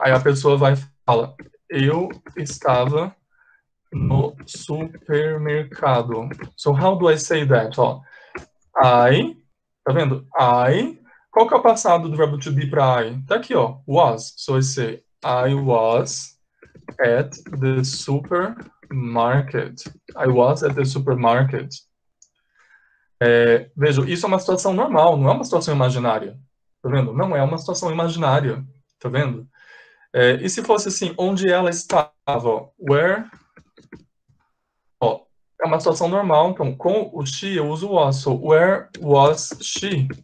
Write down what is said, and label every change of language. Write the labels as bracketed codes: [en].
[pt] Aí a pessoa vai falar, eu estava no supermercado. [en] So how do I say that? Ó, I, [pt] tá vendo? I, qual que é o passado do verbo to be para I? Tá aqui, ó, was. [en] So I say, I was at the supermarket. I was at the supermarket. [pt] Veja, isso é uma situação normal, não é uma situação imaginária. Tá vendo? Não é uma situação imaginária. Tá vendo? E se fosse assim, onde ela estava? [en] Where? [pt] Ó, é uma situação normal. Então, com o she, eu uso o was. [en] So, where was she?